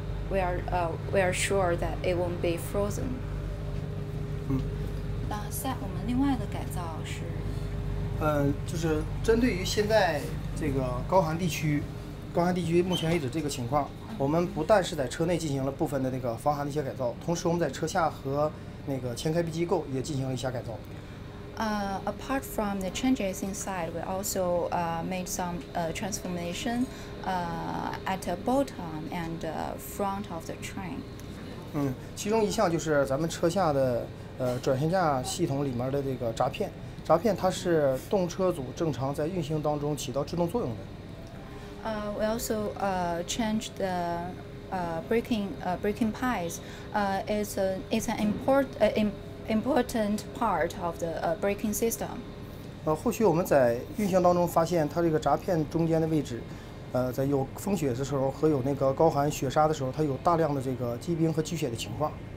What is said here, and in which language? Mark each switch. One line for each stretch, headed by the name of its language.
English: We are sure that it won't be frozen.
Chinese: 那我们另外的改造是？就是针对于现在这个高寒地区，高寒地区目前为止这个情况，我们不但是在车内进行了部分的那个防寒的一些改造，同时我们在车下和那个前开闭机构也进行了一下改造。
English: Apart from the changes inside, we also made some transformation at the bottom and front of the train.
Chinese: 其中一项就是咱们车下的转向架系统里面的这个闸片。闸片它是动车组正常在运行当中起到制动作用的。
English: We also change the braking pipes. It's an important part of the braking system.
Chinese: 后续我们在运行当中发现，它这个闸片中间的位置，在有风雪的时候和有那个高寒雪沙的时候，它有大量的这个积冰和积雪的情况。